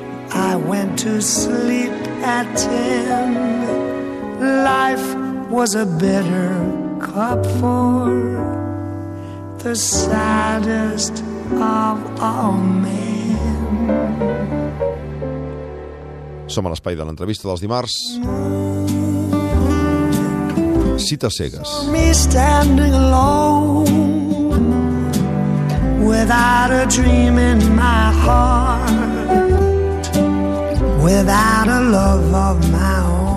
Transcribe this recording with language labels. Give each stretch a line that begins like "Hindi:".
English: I went to sleep at 10. Life was a bitter cup for the saddest of all men.
Catalan: Som a l'espai de l'entrevista dels dimarts. Cites cegues.
English: Me standing alone without a dream in my heart, without a love of my own.